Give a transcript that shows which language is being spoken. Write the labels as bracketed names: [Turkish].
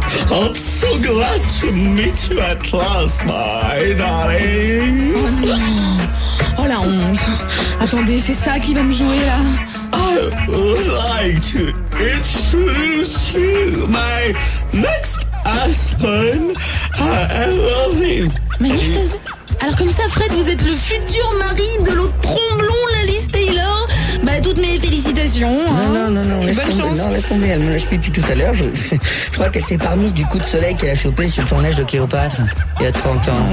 [English] I'm so glad to meet you at last, my darling. [French] Oh la honte. Attendez, c'est ça qui va me jouer là. [English] I would like to introduce you, my next husband. I love him. [French] Mais qu'est-ce que... Alors comme ça, Fred, vous êtes le futur mari de l'autre tromblon, l'Alice Taylor. Bah, toutes mes félicitations. Non, laisse tomber, elle me lâche plus depuis tout à l'heure. Je crois qu'elle s'est permise du coup de soleil qu'elle a chopé sur le tournage de Cléopâtre, il y a 30 ans.